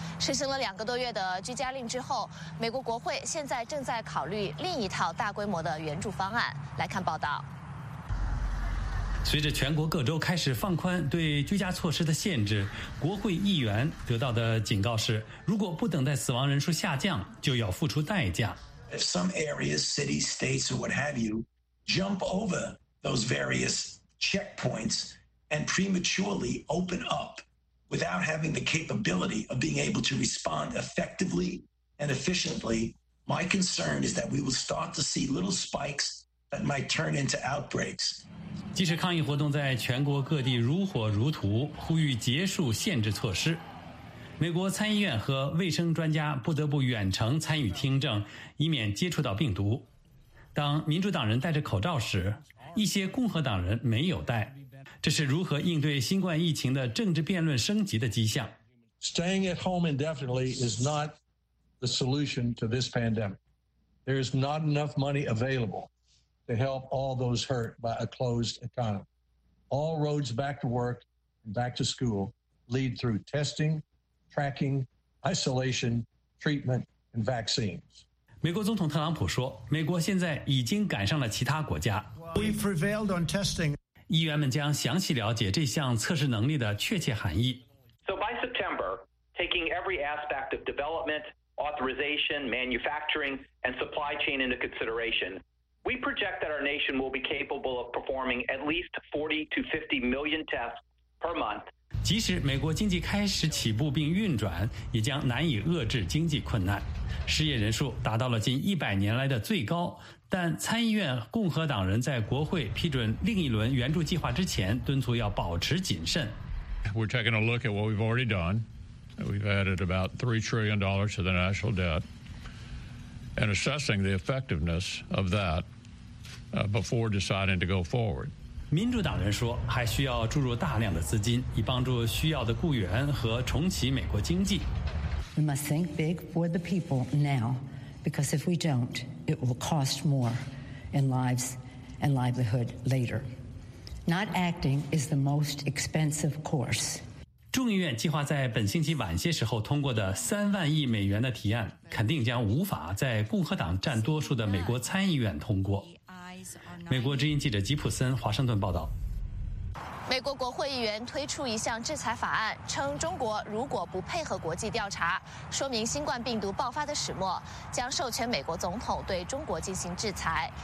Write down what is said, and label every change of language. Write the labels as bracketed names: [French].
[Chinese] 实行了两个多月的居家令之后，美国国会现在正在考虑另一套大规模的援助方案。来看报道。随着全国各州开始放宽对居家措施的限制，国会议员得到的警告是，如果不等待死亡人数下降，就要付出代价。 [English] If some areas, cities, states, or what have you, jump over those various checkpoints and prematurely open up without having the capability of being able to respond effectively and efficiently, my concern is that we will start to see little spikes that might turn into outbreaks. [Chinese] 即使抗议活动在全国各地如火如荼，呼吁结束限制措施，美国参议院和卫生专家不得不远程参与听证，以免接触到病毒。当民主党人戴着口罩时，一些共和党人没有戴，这是如何应对新冠疫情的政治辩论升级的迹象。 [English] Staying at home indefinitely is not the solution to this pandemic. There is not enough money available. To help all those hurt by a closed economy. All roads back to work and back to school lead through testing, tracking, isolation, treatment, and vaccines. [Chinese] 美国总统特朗普说，美国现在已经赶上了其他国家。 [English] We prevailed on testing. [Chinese] 议员们将详细了解这项测试能力的确切含义。 [English] So by September, taking every aspect of development, authorization, manufacturing, and supply chain into consideration,We project that our nation will be capable of performing at least 40 to 50 million tests per month. [Chinese] 即使美国经济开始起步并运转，也将难以遏制经济困难。失业人数达到了近100年来的最高，但参议院共和党人在国会批准另一轮援助计划之前敦促要保持谨慎。 [English] We're taking a look at what we've already done. We've added about $3 trillion to the national debt. And assessing the effectiveness of that before deciding to go forward. [Chinese] 民主党人说，还需要注入大量的资金，以帮助需要的雇员和重启美国经济。 [English] We must think big for the people now, because if we don't, it will cost more in lives and livelihood later. Not acting is the most expensive course. [Chinese] 众议院计划在本星期晚些时候通过的$30 billion的提案，肯定将无法在共和党占多数的美国参议院通过。美国之音记者吉普森华盛顿报道。美国国会议员推出一项制裁法案，称中国如果不配合国际调查，说明新冠病毒爆发的始末，将授权美国总统对中国进行制裁。